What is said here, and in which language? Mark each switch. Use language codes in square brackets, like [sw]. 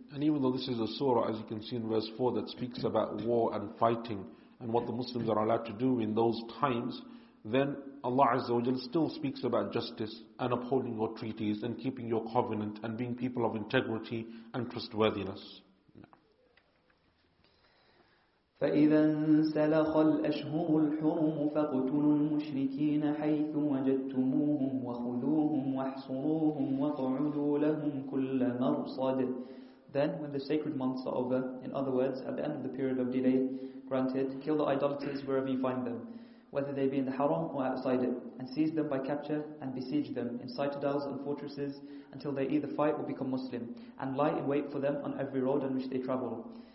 [en] And even though this is a surah, as you can see in verse 4, that speaks about war and fighting and what the Muslims are allowed to do in those times, then Allah [ar] Azza wa Jal [en] still speaks about justice and upholding your treaties and keeping your covenant and being people of integrity and trustworthiness. [ar] فإذا انسلخ الأشهر الحرم فاقتلوا المشركين حيث وجدتموهم وخذوهم واحصروهم واقعدوا لهم كل مرصد. [en] Then when the sacred months are over, in other words, at the end of the period of delay granted, kill the idolaters wherever you find them, whether they be in the haram or outside it, and seize them by capture and besiege them in citadels and fortresses until they either fight or become Muslim, and lie in wait for them on every road on which they travel.